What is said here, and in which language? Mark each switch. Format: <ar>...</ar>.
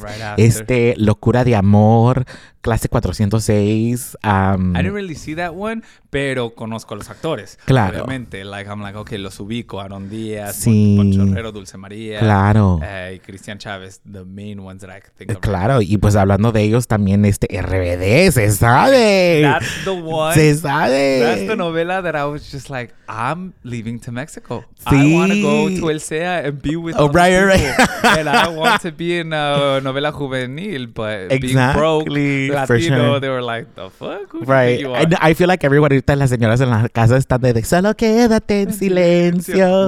<en>Right after.</en> <es>Locura de amor, clase 406.</es> <en>I didn't really see that one,</en> <es>pero conozco a los actores. Claro.</es> <en>Obviamente, like, I'm like, okay,</en> <es>los ubico.</es> <en>Aaron Díaz,</en> <es>sí. Poncho Herrero, Dulce María. Claro.</es> <en>Y Cristian Chávez, the main ones that I can think of.</en> <es>Claro, right. Y pues hablando de ellos, también RBD, se sabe.</es> <en>That's the one.</en> <es>Se sabe.</es> <en>That's the novela that I was just like, I'm leaving to Mexico. Sí. I want to go to El Sea and be with oh, right, people. Right. And I want to be in a novela juvenil, but exactly. Being broke, Latino, for sure. They were like, the fuck? Who right. Do you think you are? And I feel like everybody,</en> <es>las señoras en la casa están de solo quédate en silencio.</es>